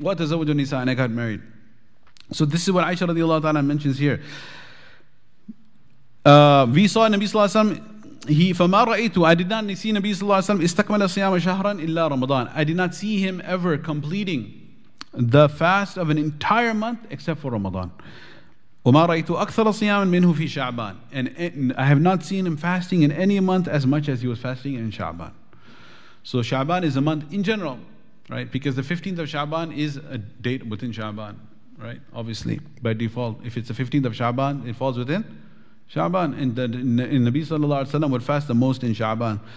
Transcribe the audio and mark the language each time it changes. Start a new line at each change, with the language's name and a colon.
Arabic: Wa tazawwaju an-nisa,
English: and I got married. So this is what Aisha radiallahu ta'ala mentions here. We saw Nabi sallallahu alayhi wa sallam, he
Arabic: فما رأيت,
English: I did not see Nabi sallallahu alayhi wa sallam
Arabic: استكمل صيام شهرا إلا رمضان.
English: I did not see him ever completing the fast of an entire month except for Ramadan.
Arabic: وما رأيت أكثر صياما منه في شعبان.
English: And I have not seen him fasting in any month as much as he was fasting in شعبان. So شعبان is a month in general, right? Because the 15th of شعبان is a date within شعبان, right? Obviously, by default, if it's the 15th of شعبان, it falls within Sha'ban, and in Nabi sallallahu alayhi wa sallam would fast the most in Sha'ban.